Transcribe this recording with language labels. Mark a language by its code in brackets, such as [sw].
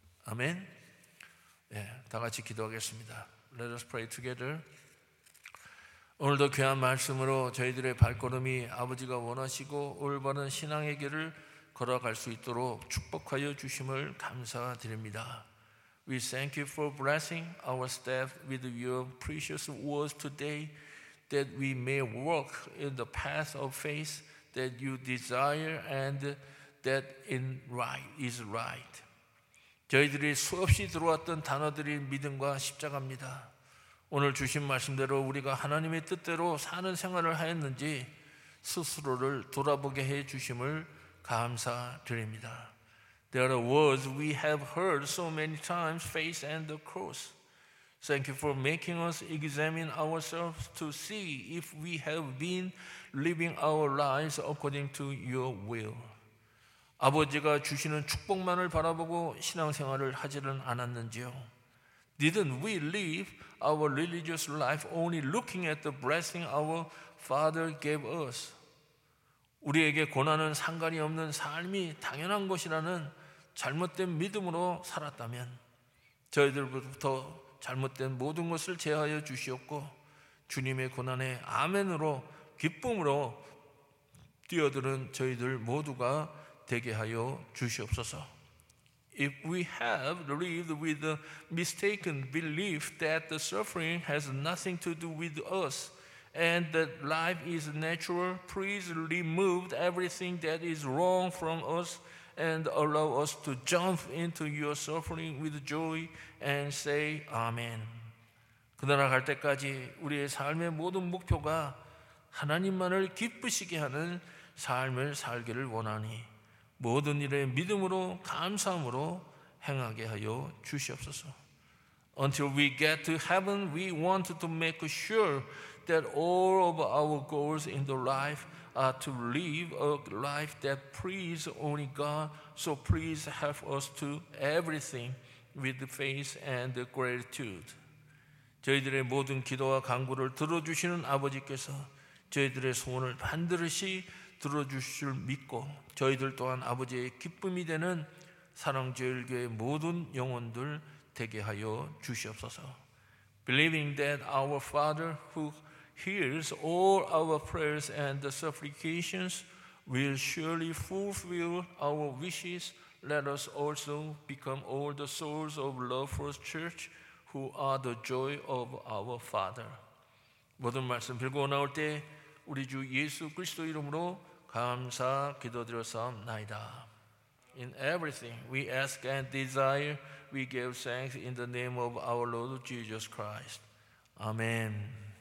[en] Amen. [ko] 예, 다 같이 기도하겠습니다. [en] Let us pray together. [ko] 오늘도 귀한 말씀으로 저희들의 발걸음이 아버지가 원하시고 올바른 신앙의 길을 걸어갈 수 있도록 축복하여 주심을 감사드립니다. [en] We thank you for blessing our steps with your precious words today that we may walk in the path of faith that you desire and that in right is right. [ko] 저희들이 수없이 들어왔던 단어들이 믿음과 십자가입니다. 오늘 주신 말씀대로 우리가 하나님의 뜻대로 사는 생활을 하였는지 스스로를 돌아보게 해 주심을 감사드립니다. [en] There are words we have heard so many times, faith and the cross. Thank you for making us examine ourselves to see if we have been living our lives according to your will. [ko] 아버지가 주시는 축복만을 바라보고 신앙생활을 하지는 않았는지요? [en] Didn't we live our religious life only looking at the blessing our Father gave us? [ko] 우리에게 고난은 상관이 없는 삶이 당연한 것이라는 잘못된 믿음으로 살았다면 저희들부터 잘못된 모든 것을 제하여 주시옵고 주님의 고난에 아멘으로 기쁨으로 뛰어드는 저희들 모두가 되게 하여 주시옵소서. [en] If we have lived with a mistaken belief that the suffering has nothing to do with us and that life is natural, please remove everything that is wrong from us and allow us to jump into your suffering with joy and say Amen. [ko] 그 나라 갈 때까지 우리의 삶의 모든 목표가 하나님만을 기쁘시게 하는 삶을 살기를 원하니 모든 일에 믿음으로 감사함으로 행하게 하여 주시옵소서. [en] Until we get to heaven, we want to make sure that all of our goals in the life are to live a life that pleases only God. So please help us to everything with faith and gratitude. [ko] 저희들의 모든 기도와 간구를 들어주시는 아버지께서 저희들의 소원을 반드시 들어주실 믿고 저희들 또한 아버지의 기쁨이 되는 사랑제일교회의 모든 영혼들 되게 하여 주시옵소서. [en] Believing that our Father who hears all our prayers and supplications will surely fulfill our wishes, let us also become all the souls of love for the church who are the joy of our Father. [ko] 모든 말씀 빌고 나올 때 우리 주 예수 그리스도 이름으로 감사 기도드렸사옵나이다. [en] In everything we ask and desire, we give thanks in the name of our Lord Jesus Christ. Amen.